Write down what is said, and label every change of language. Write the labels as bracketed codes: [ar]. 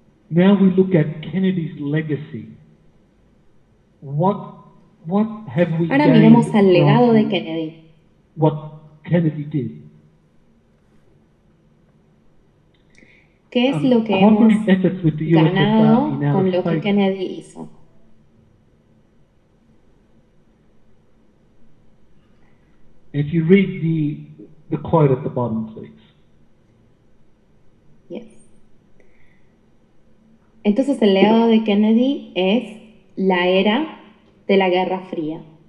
[en] Now we look at Kennedy's legacy. What have we [es] Ahora miremos al legado de Kennedy. [en] What Kennedy did. [es] ¿Qué es lo que hemos ganado con lo que Kennedy hizo? [en] If you read the quote at the bottom, please. [es] Entonces el legado de Kennedy es la era de la Guerra Fría.